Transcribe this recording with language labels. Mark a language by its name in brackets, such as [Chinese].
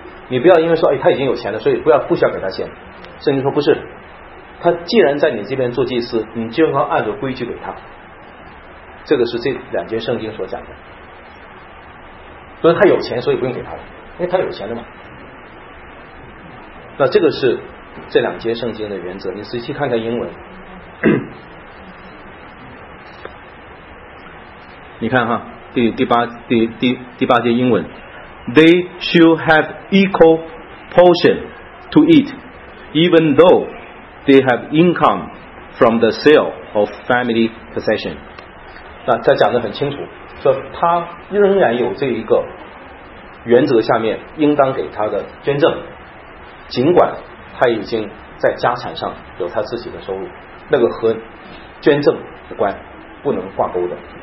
[Chinese] 你不要因为说、哎、他已经有钱了，所以不需要给他钱。圣经说不是，他既然在你这边做祭司，你就要按照规矩给他。这个是这两节圣经所讲的，所以他有钱所以不用给他了，因为他有钱了嘛。那这个是这两节圣经的原则，你仔细看看英文。你看哈，第八节英文 [English] ，They should have equal portion to eat, even though they have income from the sale of family possession。 [Chinese] 那他讲得很清楚，说他仍然有这一个原则下面应当给他的捐赠。尽管他已经在家产上有他自己的收入，那个和捐赠无关，不能挂钩的。